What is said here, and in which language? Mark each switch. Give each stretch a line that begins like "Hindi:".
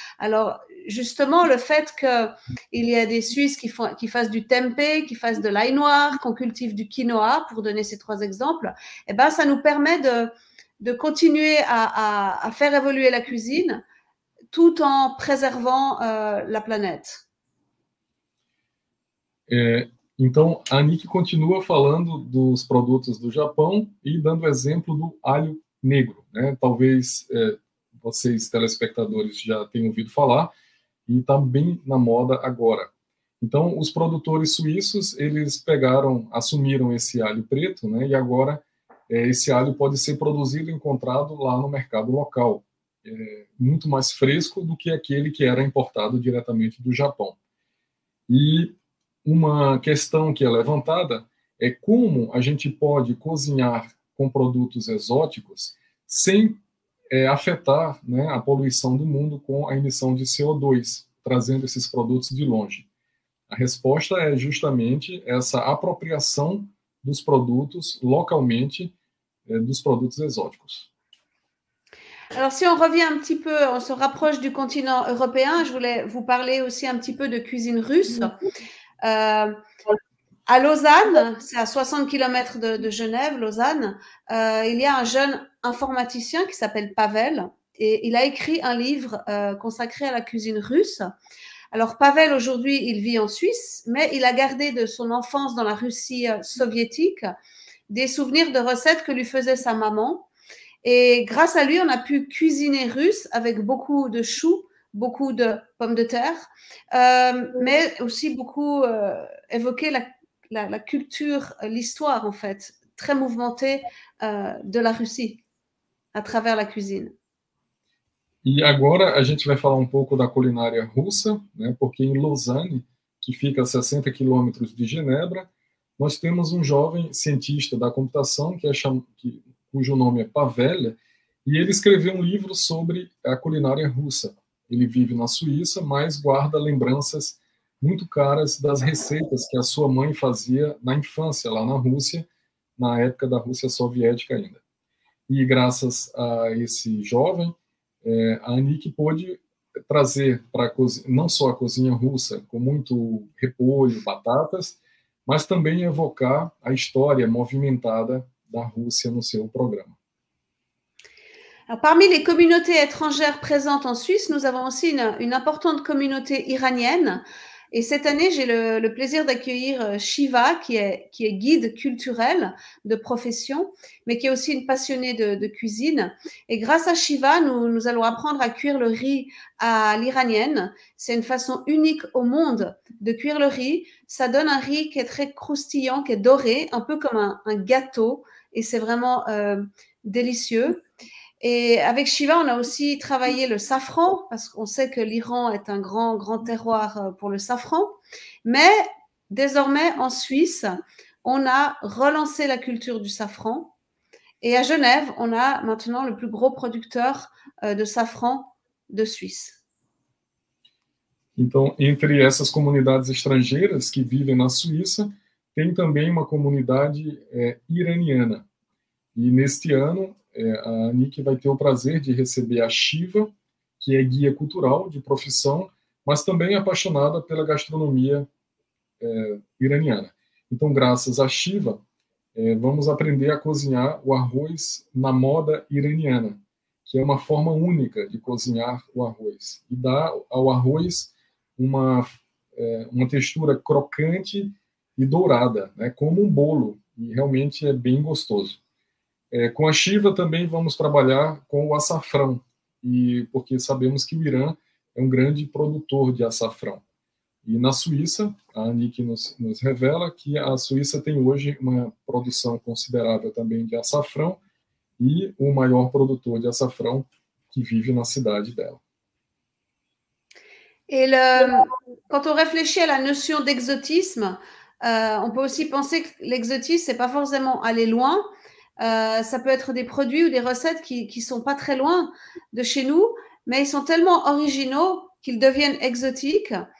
French: Alors, justement, le fait qu'il y a des Suisses qui fassent du tempeh, qui fassent de l'ail noir, qu'on cultive du quinoa, pour donner ces trois exemples, eh ben, ça nous permet de continuer à faire évoluer la cuisine tout en préservant la planète.
Portuguese: Então, a Nick continua falando dos produtos do Japão e dando exemplo do alho negro, né? Talvez vocês, telespectadores, já tenham ouvido falar e está bem na moda agora. Então, os produtores suíços, eles assumiram esse alho preto, né? E agora esse alho pode ser produzido e encontrado lá no mercado local, muito mais fresco do que aquele que era importado diretamente do Japão. E uma questão que é levantada é como a gente pode cozinhar com produtos exóticos sem afetar, né, a poluição do mundo com a emissão de CO2, trazendo esses produtos de longe. A resposta é justamente essa apropriação dos produtos localmente, dos produtos exóticos.
French: Alors, si on revient un petit peu, on se rapproche du continent européen, je voulais vous parler aussi un petit peu de cuisine russe. À Lausanne, c'est à 60 km de Genève, Lausanne, il y a un jeune informaticien qui s'appelle Pavel et il a écrit un livre consacré à la cuisine russe. Alors, Pavel, aujourd'hui, il vit en Suisse, mais il a gardé de son enfance dans la Russie soviétique des souvenirs de recettes que lui faisait sa maman. Et grâce à lui, on a pu cuisiner russe avec beaucoup de choux, beaucoup de pommes de terre, mais aussi beaucoup évoquer la culture, l'histoire, en fait, très mouvementée de la Russie à travers la cuisine.
Portuguese: E agora a gente vai falar um pouco da culinária russa, né? Porque em Lausanne, que fica a 60 km de Genebra, nós temos um jovem cientista da computação cujo nome é Pavel, e ele escreveu um livro sobre a culinária russa. Ele vive na Suíça, mas guarda lembranças muito caras das receitas que a sua mãe fazia na infância, lá na Rússia, na época da Rússia soviética ainda. E graças a esse jovem, a Anik pôde trazer para a cozinha, não só a cozinha russa, com muito repolho, batatas, mas também evocar a história movimentada da Rússia no seu programa.
French: Alors, parmi les communautés étrangères présentes en Suisse, nous avons aussi une importante communauté iranienne. Et cette année, j'ai le plaisir d'accueillir Shiva, qui est guide culturel de profession, mais qui est aussi une passionnée de cuisine. Et grâce à Shiva, nous allons apprendre à cuire le riz à l'iranienne. C'est une façon unique au monde de cuire le riz. Ça donne un riz qui est très croustillant, qui est doré, un peu comme un gâteau. Et c'est vraiment délicieux. Et avec Shiva, on a aussi travaillé le safran, parce qu'on sait que l'Iran est un grand, grand terroir pour le safran. Mais désormais, en Suisse, on a relancé la culture du safran. Et à Genève, on a maintenant le plus gros producteur de safran de Suisse.
Portuguese: Então, entre essas comunidades estrangeiras que vivem na Suíça, tem também uma comunidade iraniana. E neste ano, a Anik vai ter o prazer de receber a Shiva, que é guia cultural de profissão, mas também apaixonada pela gastronomia iraniana. Então, graças a Shiva, vamos aprender a cozinhar o arroz na moda iraniana, que é uma forma única de cozinhar o arroz. E dá ao arroz uma textura crocante e dourada, né? Como um bolo, e realmente é bem gostoso. Com a Shiva também vamos trabalhar com o açafrão, porque sabemos que o Irã é um grande produtor de açafrão. E na Suíça, a Anik nos revela que a Suíça tem hoje uma produção considerável também de açafrão e o maior produtor de açafrão que vive na cidade dela.
French: Quand on réfléchit à la notion d'exotisme, on peut aussi penser que l'exotisme, ce n'est pas forcément aller loin. Ça peut être des produits ou des recettes qui sont pas très loin de chez nous, mais ils sont tellement originaux qu'ils deviennent exotiques.